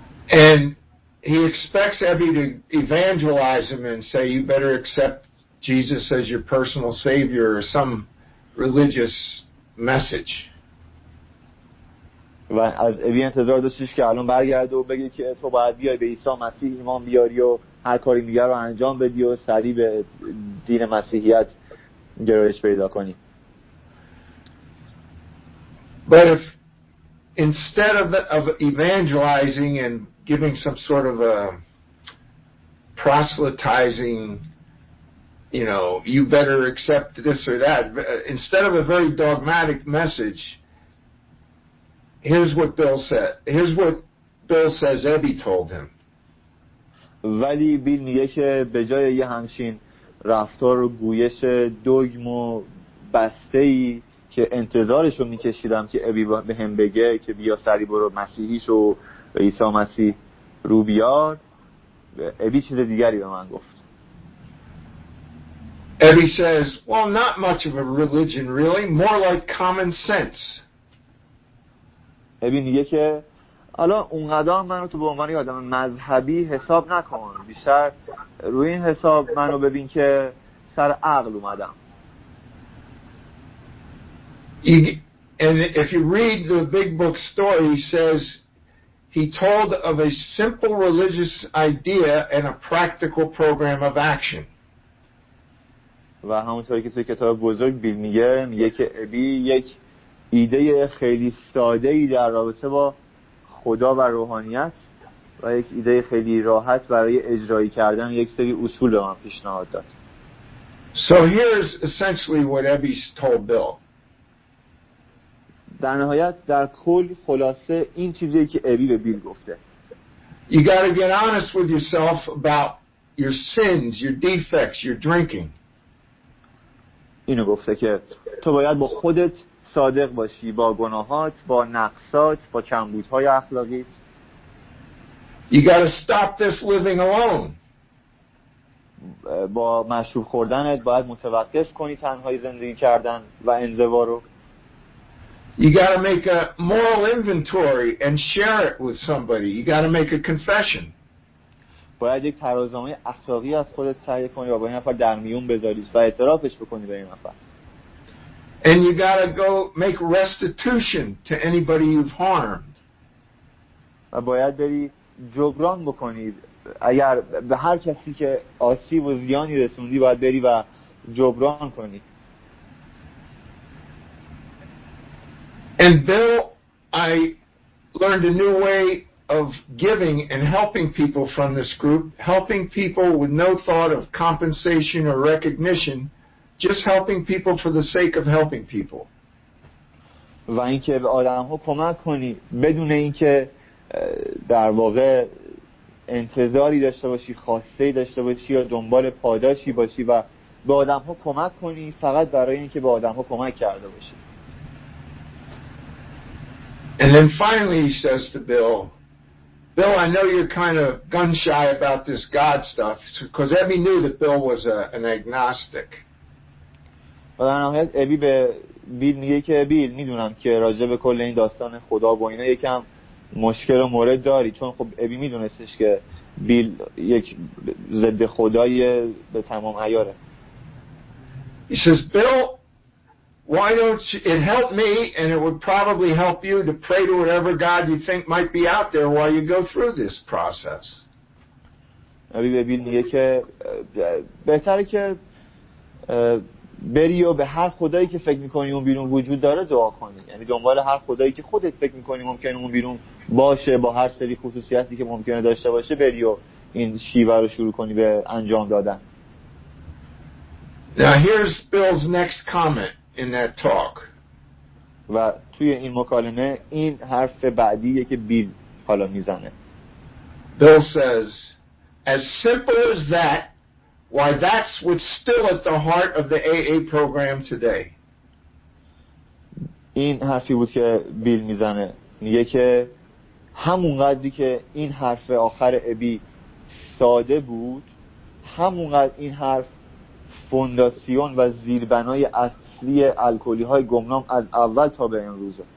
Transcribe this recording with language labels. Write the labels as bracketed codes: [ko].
[en] And he expects Abby to evangelize him and say you better accept Jesus as your personal savior or some religious message. [fa] و از ابی انتظار داشتش که الان برگرده و بگه که تو باید بیای به عیسی مسیح ایمان بیاری و هر کاری دیگر رو انجام بدی و سریع به دین مسیحیت گرایش پیدا کنی. [en] But if instead of evangelizing and giving some sort of a proselytizing you know, you better accept this or that. Instead of a very dogmatic message, here's what Bill said. Here's what Bill says Ebi told him. [fa] ولی بیل میگه که به جای یه همچین رفتار و گویش دوگم و بستهی که انتظارشو میکشیدم که ابی به هم بگه که بیا سری برو مسیحیش و عیسی مسیح رو بیار، ابی چیز دیگری به من گفت. [en] Abby says, well, not much of a religion really, more like common sense. [fa] ابی میگه که حالا اونقدر منو تو به عنوان یه آدم مذهبی حساب نکن، بیشتر روی این حساب منو ببین که سر عقل اومدم. [en] And if you read the big book story, he says he told of a simple religious idea and a practical program of action. [fa] و همونطور که توی کتاب بزرگ بیل میگه، میگه که ابی یک ایده خیلی ساده ای در رابطه با خدا و روحانیت و یک ایده خیلی راحت برای اجرایی کردن یک سری اصول به من پیشنهاد داد. [en] So here's essentially what Ebi's told Bill. [fa] در نهایت در کل خلاصه این چیزیه که ابی به بیل گفته. [en] You got to get honest with yourself about your sins, your defects, your drinking. [fa] اینو گفته که تو باید با خودت صادق باشی، با گناهات، با نقصات، با کمبودهای اخلاقی. [en] You got to stop this living alone. [fa] با مشروب خوردنت باید متوقف کنی تنهایی زندگی کردن و انزوا رو. [en] You got to make a moral inventory and share it with somebody. You got to make a confession. [fa] باید یک ترازنامه اخلاقی از خودت تهیه کنی و با این نفر در میون بذاری و اعترافش بکنی به این نفر. [en] And you got to go make restitution to anybody you've harmed. [fa] و باید بری جبران بکنی. اگر به هر کسی که آسیب و زیانی رسوندی باید بری و جبران کنی. [en] And Bill, I learned a new way of giving and helping people from this group, helping people with no thought of compensation or recognition. Just helping people for the sake of helping people. [fa] و اینکه به آدم‌ها کمک کنی بدون اینکه در واقع انتظاری داشته باشی، خواسته‌ای داشته باشی یا دنبال پاداشی باشی و به آدم‌ها کمک کنی فقط برای اینکه به آدم‌ها کمک کرده باشی. [en] And then finally he says to Bill, Bill, I know you're kind of gun shy about this God stuff, because Ebi knew that Bill was an agnostic. [fa] و در نهایت ابی به بیل میگه که بیل میدونم که راجع به کل این داستان خدا با اینا یکم مشکل و مورد داری، چون خب ابی میدونستش که بیل یک ضد خدای به تمام عیاره. [en] He says, Bill, why don't you, it help me and it would probably help you to pray to whatever God you think might be out there while you go through this process. [fa] ابی به بیل میگه که بهتره که بری و به هر خدایی که فکر میکنی اون بیرون وجود داره دعا کنی، یعنی دنبال هر خدایی که خودت فکر میکنی ممکنه اون بیرون باشه با هر سری خصوصیتی که ممکنه داشته باشه، بری و این شیوه رو شروع کنی به انجام دادن. [en] Now here's Bill's next comment in that talk. [fa] و توی این مکالمه این حرف بعدیه که بیل حالا میزنه. [en] Bill says, as simple as that, why, that's what's still at the heart of the AA program today. [fa] این حرفی بود که بیل میزنه. میگه که همونقدری که این حرف آخر ابی ساده بود، همونقدر این حرف فونداسیون و زیربنای اصلی الکلی های گمنام از اول تا به امروز.